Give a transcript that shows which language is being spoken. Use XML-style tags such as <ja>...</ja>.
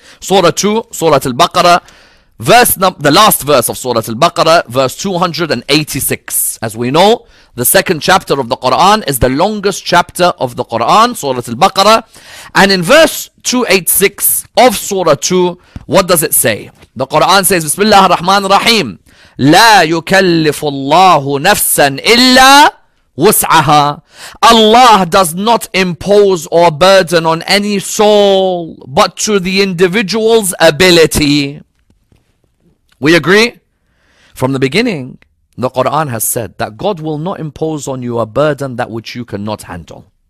<en>Surah 2, Surah Al-Baqarah, the last verse of Surah Al-Baqarah, verse 286. As we know, the second chapter of the Quran is the longest chapter of the Quran, Surah Al-Baqarah. And in verse 286 of Surah 2, what does it say? The Quran says,</en> <ar>Bismillah ar-Rahman ar-Rahim. لا يكلف الله نفسا إلا وسعها.</ar> <en>Allah does not impose or burden on any soul but to the individual's ability. We agree? From the beginning, the Quran has said that God will not impose on you a burden that which you cannot handle.</en>